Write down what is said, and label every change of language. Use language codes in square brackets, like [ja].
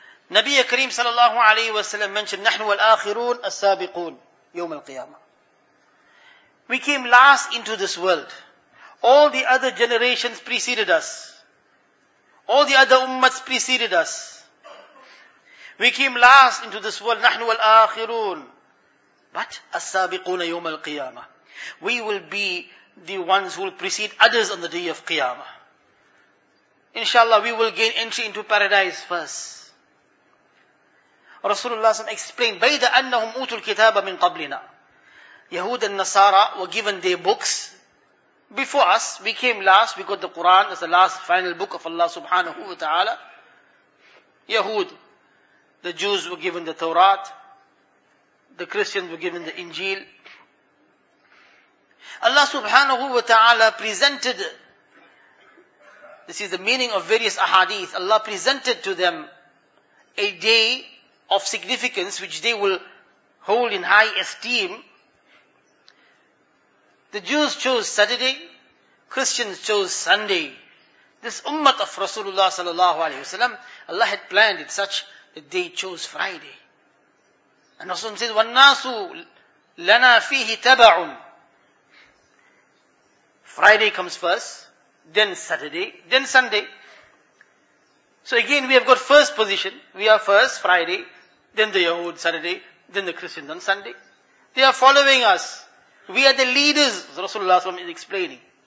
[en] Nabi Kareem sallallahu alayhi wa sallam mentioned, [ar] nahnu wal akhirun as-sabiqun, yawmul qiyamah. [en] We came last into this world. All the other generations preceded us. All the other ummats preceded us. We came last into this world. [ar] نحن والآخرون. But السابقون يوم القيامة. [en] We will be the ones who will precede others on the day of Qiyamah. Inshallah, we will gain entry into paradise first. Rasulullah SAW explained, [ar] بيد أنهم أوتوا الكتاب من قبلنا. [en] Yahud and Nasara were given their books before us, we came last because the Quran is the last final book of Allah subhanahu wa ta'ala. Yahud, the Jews were given the Torah. The Christians were given the Injil. Allah subhanahu wa ta'ala presented, this is the meaning of various ahadith, Allah presented to them a day of significance which they will hold in high esteem. The Jews chose Saturday, Christians chose Sunday. This ummah of Rasulullah sallallahu alayhi wa sallam, Allah had planned it such that they chose Friday. And Rasulullah says, [ar] وَالنَّاسُ لَنَا فِيهِ تَبَعٌ. [en] Friday comes first, then Saturday, then Sunday. So again, we have got first position. We are first Friday, then the Yahud Saturday, then the Christians on Sunday. They are following us. We are the leaders, Rasulullah is explaining.